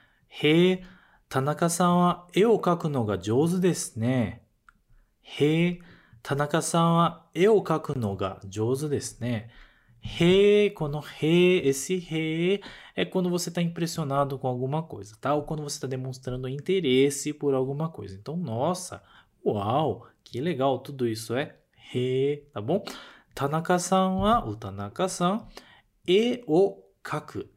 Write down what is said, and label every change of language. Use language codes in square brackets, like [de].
[ja] へえ、田中さんは絵を描くのが上手ですね。へえ、田中さんは絵を描くのが上手ですね。へえ、このへえ、 [pt] esse へえ、é quando você está impressionado com alguma coisa, tá? Ou quando você está demonstrando interesse por alguma coisa. Então, nossa, uau, que legal, tudo isso é へえ、tá bom? [ja] 田中さんは、お田中さん、絵を描く。